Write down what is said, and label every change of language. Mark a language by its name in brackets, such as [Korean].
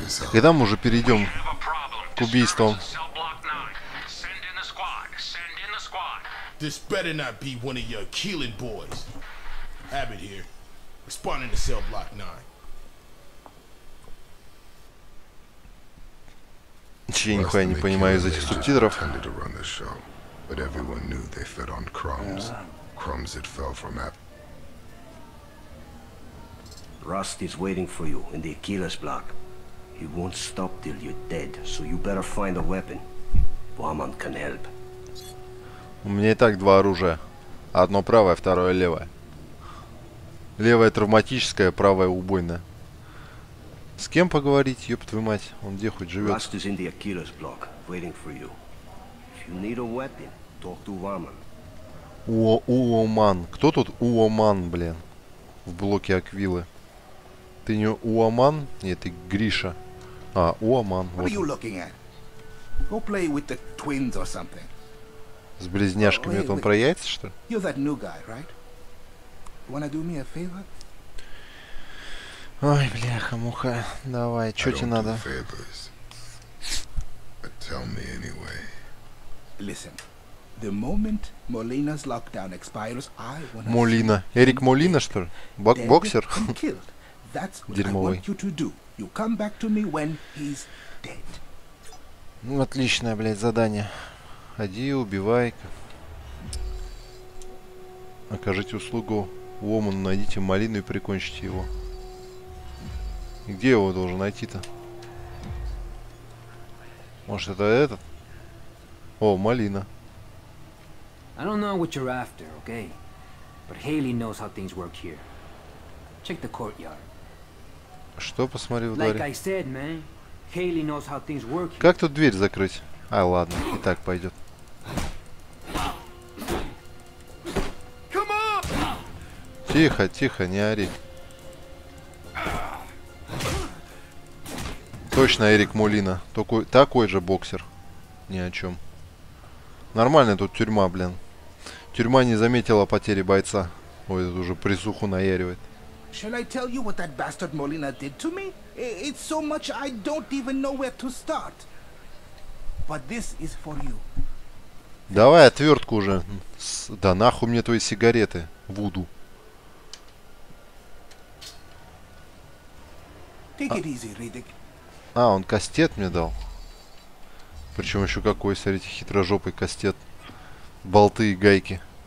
[Russian] Когда мы уже перейдем к убийствам? [English] This better not be one of your Keelan boys. Abbott here, responding to cell block 9. [Russian] Чего я нихуя не понимаю из этих субтитров? [English] Tended to run the show, but everyone knew they fed on crumbs. Crumbs that fell from Abbott. Rust is waiting for you in the Achilles block. He won't stop till you're dead, so you better find a weapon. Woman can help. [Russian] У меня и так два оружия. Одно правое, второе левое. Левое травматическое, правое убойное. С кем поговорить, ёб твою мать? Он где хоть живёт? Rust is in the Achilles block, waiting for you. If you need a weapon, talk to Woman. Уоман. Кто тут Уоман, блин? В блоке Аквилы. Ты не Уоман? Нет, ты Гриша. А, Уоман. [English] What are you looking at? Go play with the twins or something. [Russian] С близняшками. Это он про яйца, что ли? [English] You're that new guy, right? Wanna do me a favor? [Russian] Ой, бляха-муха. Давай, чё тебе надо? [English] Favors, but tell me anyway. Listen. The moment Molina's lockdown expires, I wanna... [Russian] Молина. Эрик Молина, что ли? Боксер? [English] That's what [Russian] Дерьмовый. [English] I want you to do. You come back to me when he's dead. [Russian] Ну, отличное, блядь, задание. Ходи, убивай. Окажите услугу Woman, найдите Малину и прикончите его. И где его должен найти-то? Может, это этот? О, Малина. [English] I don't know what you're after, okay? But Haley knows how things work here. Check the courtyard. [Russian] Что посмотри в дворе? [English] Like I said, man, Haley knows how things work. [Russian] Как тут дверь закрыть? А, ладно, и так пойдет. Тихо, тихо, не ори. Точно Эрик Молина. Такой же боксер. Ни о чем. Нормальная тут тюрьма, блин. Тюрьма не заметила потери бойца. Ой, тут уже присуху наяривает. [English] Shall I tell you what that bastard Molina did to me? It's so much I don't even know where to start. But this is for you. [Russian] Давай отвертку уже. Да нахуй мне твои сигареты, Вуду. [English] Take it easy, Riddick. [Russian] А, он кастет мне дал. Причем еще какой, смотрите, хитрожопый кастет. Болты и гайки.